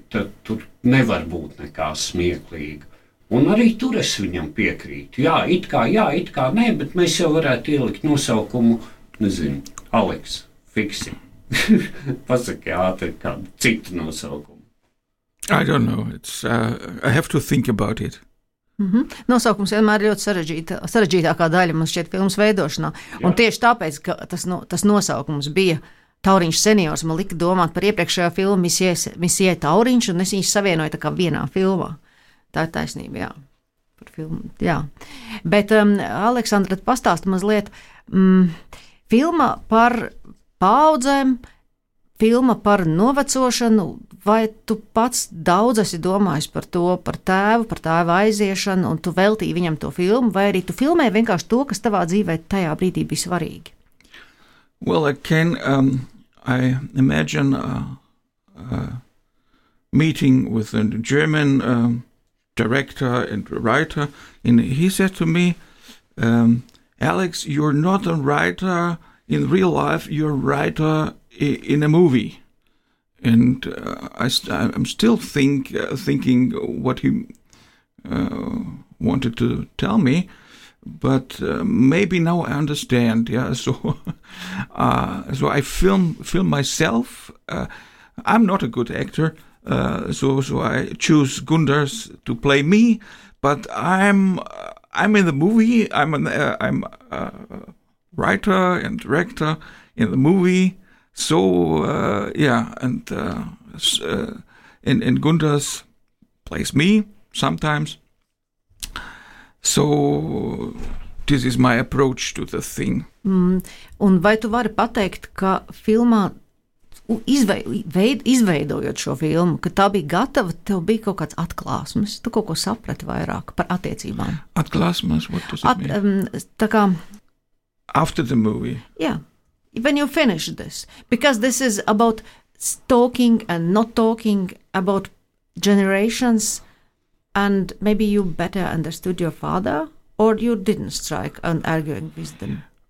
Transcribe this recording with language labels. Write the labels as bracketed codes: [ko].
[lv] Tur nevar būt nekā smieklīga. Un arī tur es viņam piekrītu. Jā, it kā nē, bet mēs jau varētu ielikt nosaukumu, nezinu, Alex, fiksi. Pasaki ātri kādu citu nosaukumu. [en] I don't know. It's I have to think about it. Mm-hmm. [lv] Nosaukums vienmēr ļoti sarežģītākā daļa mums šķiet filmas veidošanā. Jā. Un tieši tāpēc, ka tas nosaukums bija Tauriņš seniors, man lika domāt par iepriekšējā filmu Misie Tauriņš, un es viņus savienoju tā kā vienā filmā. Tā ir taisnība, jā. Par filmu, jā. Bet, Aleksandra, pastāsti mazliet... Filma par paaudzēm, filma par novecošanu, vai tu pats daudz esi domājis par to, par tēvu, par tēvu aiziešanu, un tu veltīji viņam to filmu, vai arī tu filmēji vienkārši to, kas tavā dzīvē tajā brīdī bija svarīgi? [en] Well, I can, I imagine meeting with a German director and writer, and he said to me, Alex, you're not a writer in real life, you're a writer in a movie. And I'm still thinking what he wanted to tell me, but maybe now I understand. Yeah, so I film myself. I'm not a good actor, so I choose Gunders to play me, but I'm in the movie. I'm a writer and director in the movie. So and Gunders plays me sometimes. So this is my approach to the thing. Mm. [lv] Un vai tu vari pateikt, ka filmā izveidojot šo filmu, ka tā bija gatava, tev bija kaut kāds atklāsmes. Tu kaut ko saprati vairāk par attiecībām. Atklāsmes, [en] what does it mean? [lv] Tā kā... [en] After the movie. Yeah. When you finish this. Because this is about talking and not talking about generations and maybe you better understood your father or you didn't strike an arguing with them.